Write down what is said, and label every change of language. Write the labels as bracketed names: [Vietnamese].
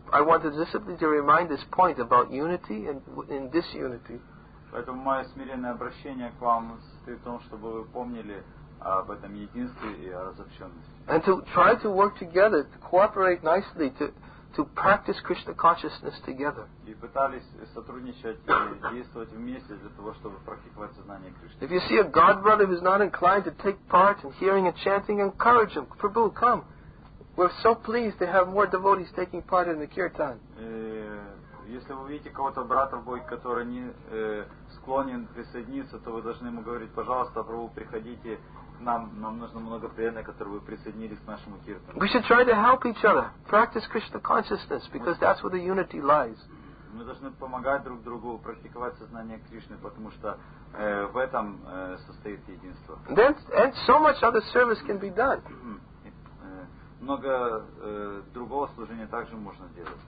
[English] I wanted just simply to remind this point about unity and disunity. [Russian] Поэтому мое смиренное обращение к вам состоит в том, чтобы вы помнили об этом единстве и о разобщенности. [English] And to try to work together, to cooperate nicely, to practice Krishna consciousness together. [Russian] И пытались сотрудничать и действовать вместе для того, чтобы практиковать сознание Кришны. [English] If you see a god brother who's not inclined to take part in hearing and chanting, encourage him. Prabhu, come. We're so pleased to have more devotees taking part in the kirtan. [Russian] Если вы видите кого-то брата в бой, который не склонен присоединиться, то вы должны ему говорить, пожалуйста, Прабху, приходите к нам. Нам нужно много преданных, которые вы присоединились к нашему киртану. [English] We should try to help each other. Practice Krishna consciousness, because that's where the unity lies. [Russian] Мы должны помогать друг другу, практиковать сознание Кришны, потому что в этом состоит единство. [English] Then, and so much other service can be done. [Russian] много другого служения также можно делать.